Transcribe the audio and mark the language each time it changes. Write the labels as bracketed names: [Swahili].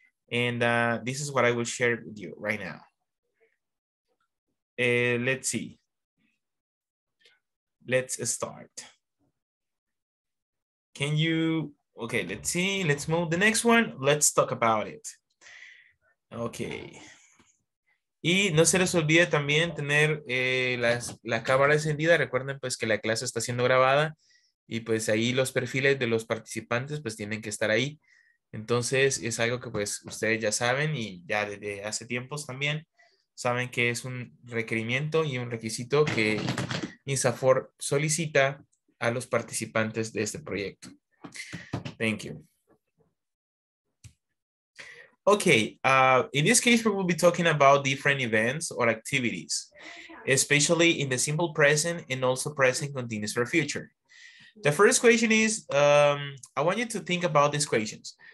[English] And this is what I will share with you right now. Let's see. Let's start. Can you, okay, let's see, let's move the next one. Let's talk about it. Okay. [Spanish] Y no se les olvide también tener la cámara encendida. Recuerden pues que la clase está siendo grabada y pues ahí los perfiles de los participantes pues tienen que estar ahí. Entonces es algo que pues ustedes ya saben y ya desde hace tiempos también saben que es un requerimiento y un requisito que INSAFORP solicita a los participantes de este proyecto. [English] Thank you. Okay, in this case, we will be talking about different events or activities, especially in the simple present and also present continuous for future. The first question is, I want you to think about these questions.